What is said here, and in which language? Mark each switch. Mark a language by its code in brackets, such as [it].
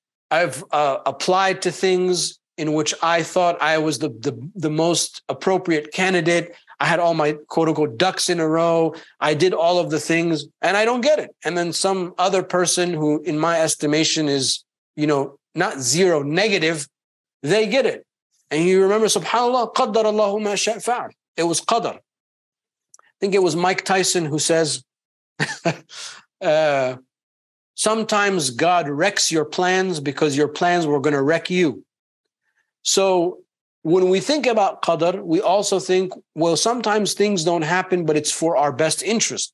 [en] I've applied to things in which I thought I was the most appropriate candidate. I had all my quote-unquote ducks in a row. I did all of the things, and I don't get it. And then some other person who, in my estimation, is, you know, not zero, negative, they get it. And you remember, [ar] subhanAllah, قَدَّرَ اللَّهُ مَا شَاءَ فَعَلَ. [en] It was qadr. I think it was Mike Tyson who says, sometimes God wrecks your plans because your plans were going to wreck you. So when we think about qadr, we also think, well, sometimes things don't happen, but it's for our best interest.